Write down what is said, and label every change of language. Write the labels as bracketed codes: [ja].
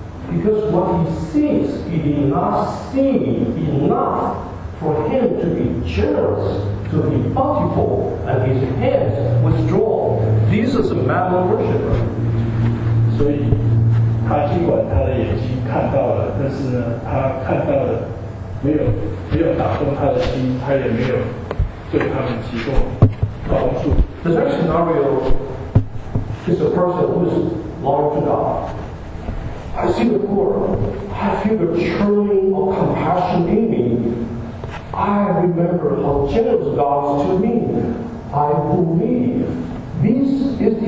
[en] Because what he sees, he did not see enough for him to be generous, to be bountiful, and his hands withdraw. This is a mammon worshipper. [zh] 所以。他尽管他的眼睛看到了，但是呢，他看到的没有打动他的心，他也没有对他们提供帮助。 [en] The next scenario is a person who is loyal to God. I see the poor. I feel the churning of compassion in me. I remember how generous God is to me. I believe this is the